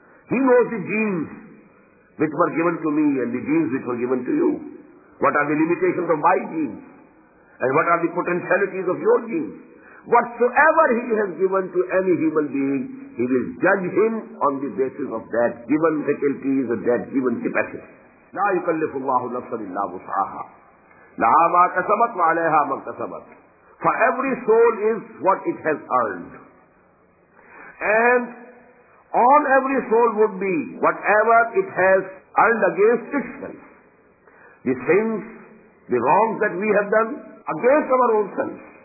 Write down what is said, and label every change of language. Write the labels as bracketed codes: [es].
[en] He knows the genes which were given to me and the genes which were given to you. What are the limitations of my genes? And what are the potentialities of your genes? Whatsoever he has given to any human being, he will judge him on the basis of that given faculties or that given capacity. [ar] لا يكلف الله نفسا إلا وسعها لها ما كسبت وعليها ما اكتسبت. [en] For every soul is what it has earned. And on every soul would be whatever it has earned against itself. The sins, the wrongs that we have done against our own selves.